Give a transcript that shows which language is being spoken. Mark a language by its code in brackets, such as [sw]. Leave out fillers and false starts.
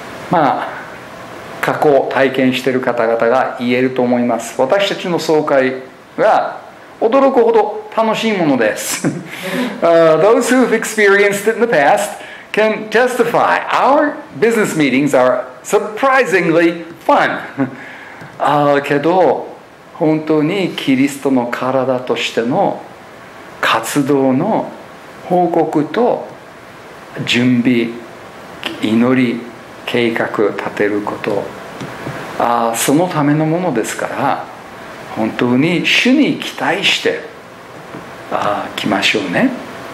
[ja] まあ、過去を体験している方々が言えると思います。私たちの総会は驚くほど楽しいものです。 [en] those who have experienced it in the past can testify our business meetings are surprisingly fun. [ja] けど本当にキリストの体としての活動の報告と準備祈り計画立てること、そのためのものですから、本当に主に期待して来ましょうね。